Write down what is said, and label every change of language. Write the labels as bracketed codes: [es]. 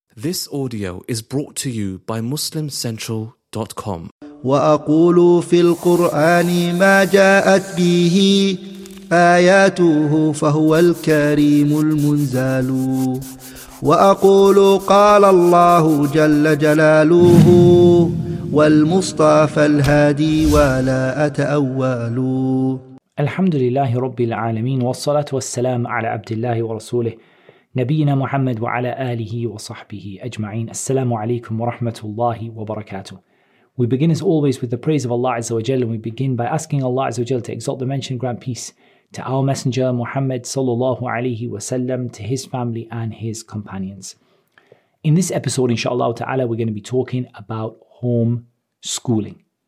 [en] This audio is brought to you by MuslimCentral.com. [ar] وأقول في القرآن ما جاءت به آياته فهو الكريم المنزال. وأقول قال الله جل جلاله والمصطفى الهادي ولا أتأول. الحمد لله رب العالمين والصلاة والسلام على عبد الله ورسوله نبينا محمد وعلى آله وصحبه أجمعين. السلام عليكم ورحمة الله وبركاته. [en] We begin as always with the praise of Allah Azza wa Jalla, and we begin by asking Allah Azza wa Jalla to exalt the mention and grant peace to our messenger Muhammad sallallahu alayhi wa sallam, to his family and his companions. In this episode, inshallah ta'ala, we're going to be talking about home schooling.